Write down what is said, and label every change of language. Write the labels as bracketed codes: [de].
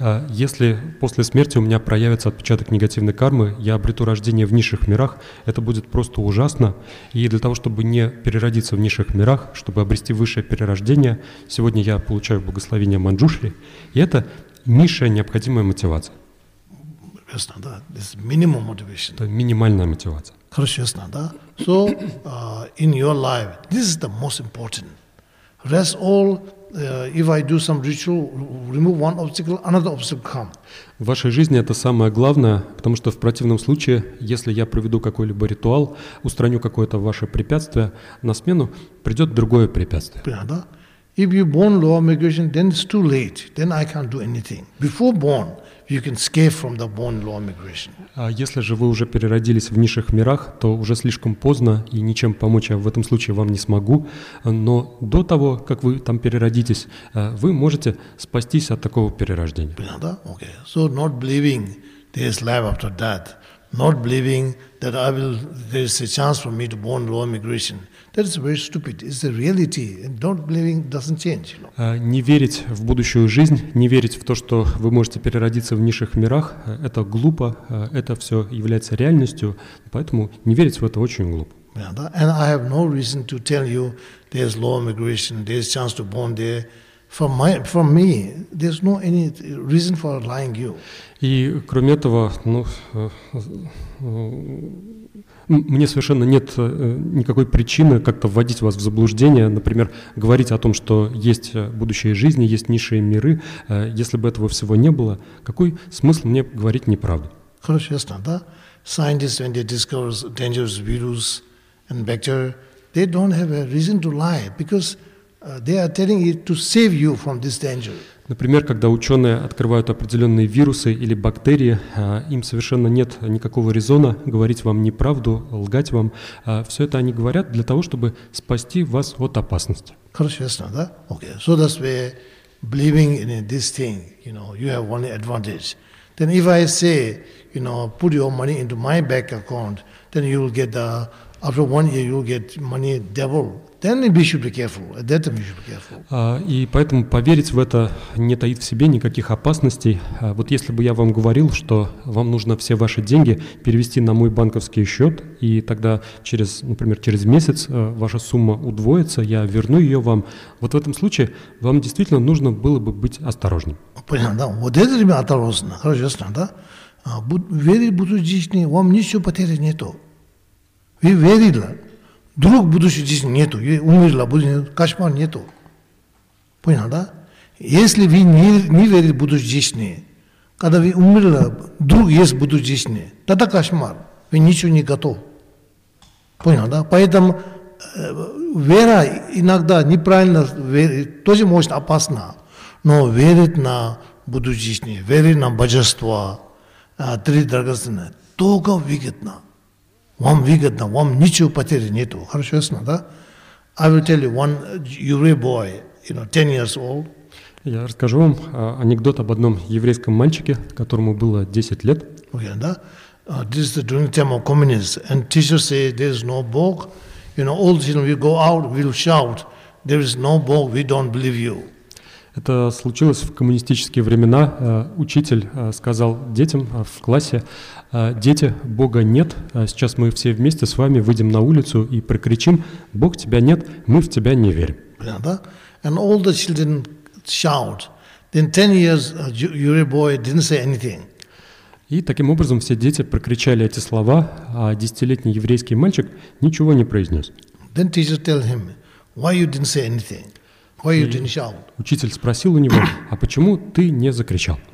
[ru] Если после смерти у меня проявится отпечаток негативной кармы, я обрету рождение в низших мирах, это будет просто ужасно. И для того, чтобы не переродиться в низших мирах, чтобы обрести высшее перерождение, сегодня я получаю благословение Манджушри. И это низшая необходимая мотивация. Ясно, да? [en] This minimum motivation. [ru] Это минимальная мотивация. Хорошо, ясно, да? [en] So, in your life, this is the most important. Rest all, if I do some ritual, remove one obstacle, another obstacle come. [ru] В вашей жизни это самое главное, потому что в противном случае, если я проведу какой-либо ритуал, устраню какое-то ваше препятствие, на смену придет другое препятствие. Понятно, да? [en] If you're born law of migration, then it's too late. Then I can't do anything. Before born, you can escape from the born law of migration. [ru] А если же вы уже переродились в низших мирах, то уже слишком поздно, и ничем помочь я в этом случае вам не смогу. Но до того, как вы там переродитесь, вы можете спастись от такого перерождения. Понятно? Okay. [en] So not believing there is life after death, not believing that I will, there is a chance for me to born law of migration. That is very stupid. It's the reality. And not believing doesn't change. You know? [ru] Не верить в будущую жизнь, не верить в то, что вы можете переродиться в низших мирах, это глупо. Это все является реальностью, поэтому не верить в это очень глупо. [en] Yeah, that, and I have no reason to tell you there is law of migration, there is chance to born there. For me, there's no any reason for lying you. [ru] И кроме этого, ну. Мне совершенно нет никакой причины как-то вводить вас в заблуждение, например, говорить о том, что есть будущее жизни, есть низшие миры. Если бы этого всего не было, какой смысл мне говорить неправду? Хорошо, ясно, да? [en] Scientists, when they discover dangerous virus and bacteria, they don't have a reason to lie, because they are telling it to save you from this danger. [ru] Например, когда ученые открывают определенные вирусы или бактерии, им совершенно нет никакого резона говорить вам неправду, лгать вам. Все это они говорят для того, чтобы спасти вас от опасности. Хорошо, ясно, да? Okay. [en] So that's why believing in this thing, you know, you have only advantage. Then if I say, you know, put your money into my bank account, then you will get the, after 1 year you will get money double. Then we should be careful. At that time we should be careful. [ru] И поэтому поверить в это не таит в себе никаких опасностей. Вот если бы я вам говорил, что вам нужно все ваши деньги перевести на мой банковский счет, и тогда через, например, через месяц ваша сумма удвоится, я верну ее вам. Вот в этом случае вам действительно нужно было бы быть осторожным. Понятно, да? Вот это время осторожно, хорошо, ясно, да? Верить буду здесь, вам ничего потерять нету. Вы верили. Друг будущей жизни нету, умерла, кошмар нету. Понял, да? Если вы не верите в будущей жизни, когда вы умерли, друг есть в будущей жизни, тогда кошмар, вы ничего не готовы. Понял, да? Поэтому вера иногда неправильно верит, тоже может опасно, но верить на будущую жизнь, верить на божество, три драгоценные, только выгодно. Вам выгодно, вам ничего потери нету. Хорошо, ясно, да? [en] I will tell you one Jewish boy, you know, 10 years old. [ru] Я расскажу вам анекдот об одном еврейском мальчике, которому было 10 лет. [en] Okay, да? This is during the time of communism. And teacher say, there is no Bog. You know, all the children will go out, will shout, there is no Bog, we don't believe you. [ru] Это случилось в коммунистические времена. Учитель сказал детям в классе, дети, Бога нет, сейчас мы все вместе с вами выйдем на улицу и прокричим, Бог тебя нет, мы в тебя не верим. [en] Понятно? And all the children shout. Then 10 years your boy didn't say anything. [ru] И таким образом все дети прокричали эти слова, а 10-летний еврейский мальчик ничего не произнес. [en] Then teacher tell him, why you didn't say anything? Why you didn't shout? [ru] Учитель спросил у него, а почему ты не закричал?